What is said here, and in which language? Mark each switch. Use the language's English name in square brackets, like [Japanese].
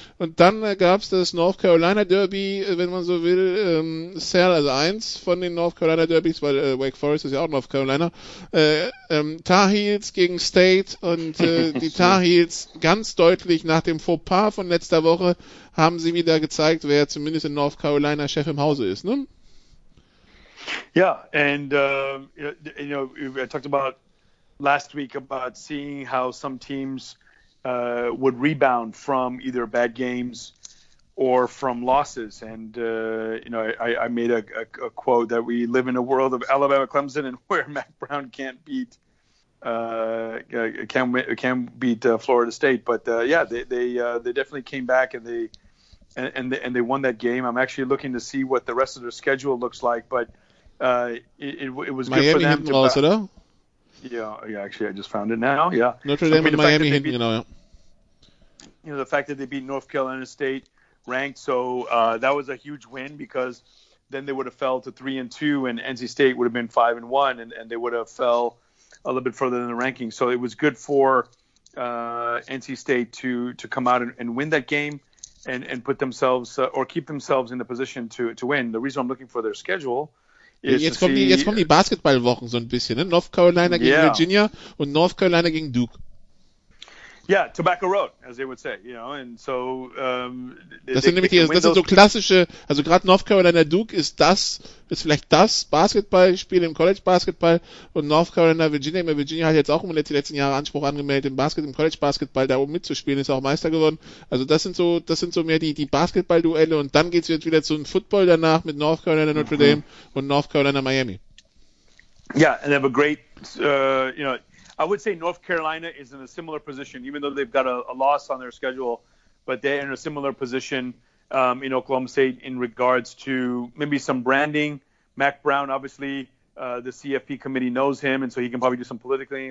[German] Und dann gab es das North Carolina Derby, wenn man so will, Cell, also eins von den North Carolina Derbys, weil Wake Forest ist ja auch North Carolina, Tar Heels gegen State und die Tar Heels ganz deutlich nach dem Fauxpas von letzter Woche haben sie wieder gezeigt, wer zumindest in North Carolina Chef im Hause ist, ne? [English] Ja, and you know, I talked about last week about seeing how some teams would rebound from either bad games or from losses, and you know, I made a quote that we live in a world of Alabama, Clemson, and where Mac Brown can't beat Florida State. But yeah, they definitely came back and they won that game. I'm actually looking to see what the rest of their schedule looks like, but it was Miami good for them to also though. Yeah, actually, I just found it now. Yeah, Notre Dame and Miami hitting, You know, the fact that they beat North Carolina State. Ranked, so that was a huge win because then they would have fell to 3-2, and NC State would have been 5-1, and they would have fell a little bit further in the ranking. So it was good for NC State to come out and win that game, and put themselves or keep themselves in the position to win. The reason I'm looking for their schedule. [German] Jetzt kommen die Basketballwochen so ein bisschen, ne? North Carolina gegen Virginia und North Carolina gegen Duke. [English] Yeah, Tobacco Road, as they would say, you know, and so [German] Das sind so klassische, also gerade North Carolina Duke ist vielleicht das Basketballspiel im College Basketball und North Carolina Virginia hat jetzt auch in den letzten Jahren Anspruch angemeldet im College Basketball da oben mitzuspielen, ist auch Meister geworden. Also das sind so mehr die Basketballduelle und dann geht's jetzt wieder zu einem Football danach mit North Carolina Notre Dame und North Carolina Miami. [English] Yeah, and they have a great you know, I would say North Carolina is in a similar position, even though they've got a loss on their schedule, but they're in a similar position in Oklahoma State in regards to maybe some branding. Mac Brown, obviously, the CFP committee knows him, and so he can probably do some politically.